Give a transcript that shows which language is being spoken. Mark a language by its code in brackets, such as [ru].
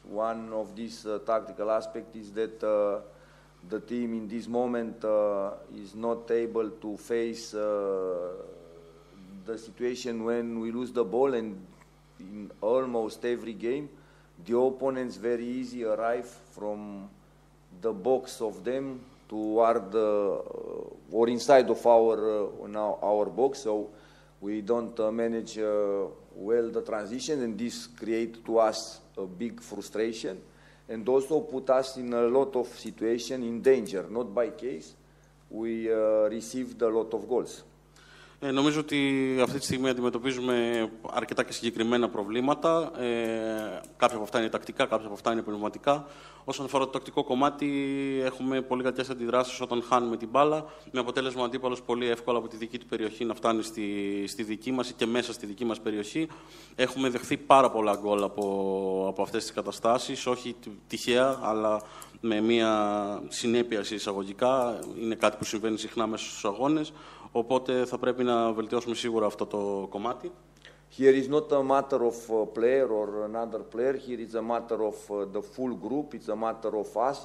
[en] One of these tactical aspects is that the team in this moment is not able to face the situation when we lose the ball, and in almost every game, the opponents very easy arrive from the box of them toward or inside of our box, so we don't manage well the transition, and this creates to us a big frustration and also put us in a lot of situation in danger. Not by case, we received a lot of goals. [el] Νομίζω ότι αυτή τη στιγμή αντιμετωπίζουμε αρκετά και συγκεκριμένα προβλήματα. Κάποια από αυτά είναι τακτικά, κάποια από αυτά είναι πνευματικά. Όσον αφορά το τακτικό κομμάτι, έχουμε πολύ κακές αντιδράσεις όταν χάνουμε την μπάλα, με αποτέλεσμα ο αντίπαλος πολύ εύκολα από τη δική του περιοχή να φτάνει στη δική μας και μέσα στη δική μας περιοχή. Έχουμε δεχθεί πάρα πολλά γκολ από αυτές τις καταστάσεις, όχι τυχαία, αλλά με μια συνέπεια σε εισαγωγικά. Είναι κάτι που συμβαίνει συχνά μέσα στους αγώνες. Οπότε θα πρέπει να βελτιώσουμε σίγουρα αυτό το κομμάτι. [en] Here is not a matter of player or another player. Here is a matter of the full group. It's a matter of us.